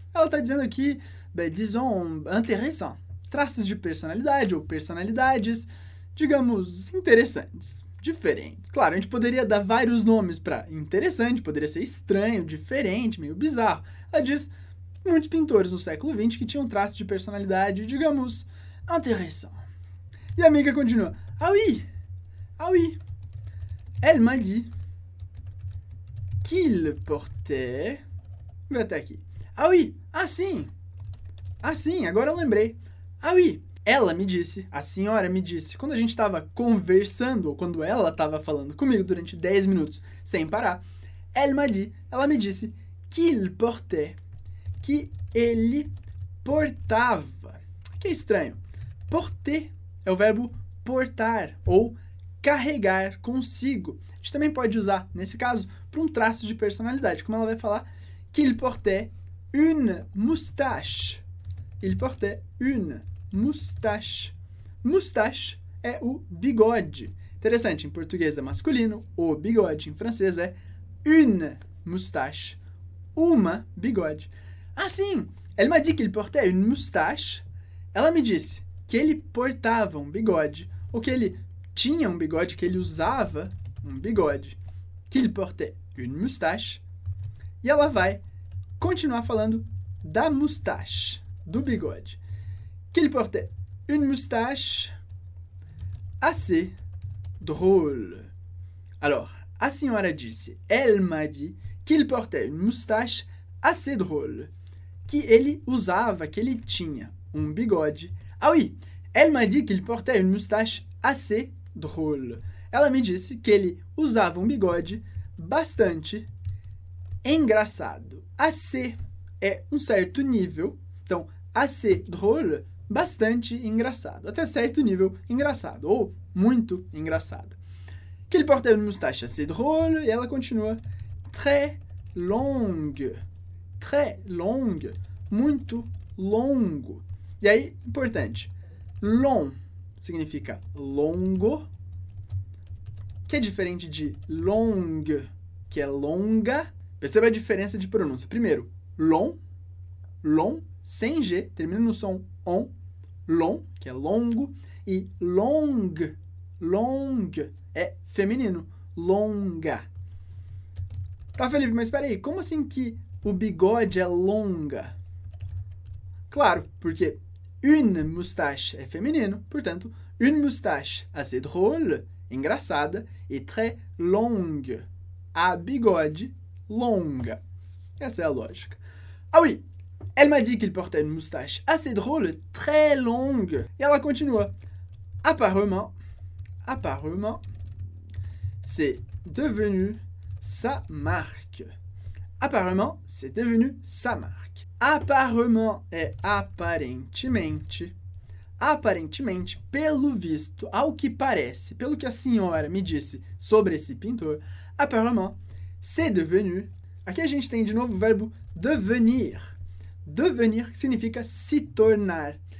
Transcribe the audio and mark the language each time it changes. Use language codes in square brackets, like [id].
[pt] Ela está dizendo aqui, [fr] ben, disons, intéressant. [pt] Traços de personalidade ou personalidades, digamos, interessantes, diferentes. Claro, a gente poderia dar vários nomes para interessante, poderia ser estranho, diferente, meio bizarro. Ela diz muitos pintores no século XX que tinham traços de personalidade, digamos, intéressant. E a amiga continua. [fr] Ah oui, ah oui. Elle m'a dit qu'il portait... [pt] Vou até aqui. [fr] Ah oui, [pt] ah sim. Ah sim, agora eu lembrei. Ah oui, ela me disse, a senhora me disse, quando a gente estava conversando, ou quando ela estava falando comigo durante 10 minutos, sem parar, [fr] elle m'a dit, [pt] ela me disse, [fr] qu'il portait, [pt] que ele portava. Que é estranho. Porter é o verbo portar ou carregar consigo. A gente também pode usar, nesse caso, para um traço de personalidade, como ela vai falar, [fr] qu'il portait une moustache. Il portait une moustache. [pt] Moustache é o bigode. Interessante, em português é masculino, o bigode. Em francês é [fr] une moustache. [pt] Uma bigode. Ah, sim! [fr] Elle m'a dit qu'il portait une moustache. [pt] Ela me disse que ele portava um bigode, ou que ele tinha um bigode, que ele usava um bigode. [fr] Qu'il portait une moustache. [pt] E ela vai continuar falando da moustache, do bigode. [fr] Qu'il portait une moustache assez drôle. Alors, [pt] a senhora disse, [fr] elle m'a dit qu'il portait une moustache assez drôle. [pt] Que ele usava, que ele tinha um bigode. [fr] Ah oui, elle m'a dit qu'il portait une moustache assez drôle. [pt] Ela me disse que ele usava um bigode bastante engraçado. Assez é um certo nível. Então, [fr] assez drôle, [pt] bastante engraçado. Até certo nível, engraçado. Ou muito engraçado. Que ele [fr] portait une moustache assez drôle. [pt] E ela continua. [fr] Très longue. Très longue. [pt] Muito longo. E aí, importante. Long significa longo. Que é diferente de longue, que é longa. Perceba a diferença de pronúncia. Primeiro, long. Long. Sem G, termina no som on, long, que é longo, e long, long, é feminino, longa. Tá, Felipe, mas peraí, como assim que O bigode é longa. Claro, porque une moustache é feminino, portanto, [fr] une moustache assez drôle, [pt] engraçada, e [fr] très longue. [pt] A bigode longa. Essa é a lógica. [fr] Ah oui, elle m'a dit qu'il portait une moustache assez drôle, très longue. [pt] E ela continua. [fr] Apparemment, c'est devenu sa marque. Apparemment, c'est devenu sa marque. [pt] Apparemment é aparentemente. Aparentemente, pelo visto, ao que parece, pelo que a senhora me disse sobre esse pintor, [fr] apparemment, c'est devenu. [pt] Aqui a gente tem de novo o verbo devenir. Devenir significa se tornar.